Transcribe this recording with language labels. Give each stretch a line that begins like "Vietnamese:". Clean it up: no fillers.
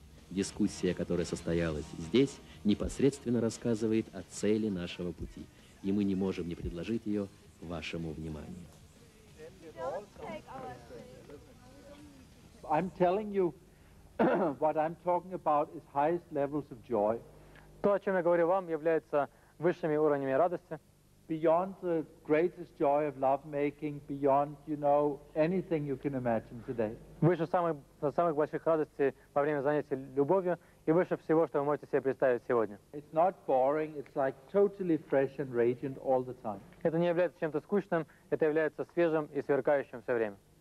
Russian: Дискуссия, которая состоялась здесь, непосредственно рассказывает о цели нашего пути, и мы не можем не предложить ее вашему вниманию.
English: I'm telling you, what I'm talking about is highest levels of joy.
Russian: То, о чем я говорю вам, является высшими уровнями радости.
English: Beyond the greatest joy of lovemaking, beyond, you know, anything you can imagine today.
Russian: Выше самых больших радостей во время занятий любовью и выше всего, что вы можете себе представить сегодня.
English: It's not boring, it's like totally fresh and radiant all the time.
Russian: Это не является чем-то скучным, это является свежим и сверкающим все время.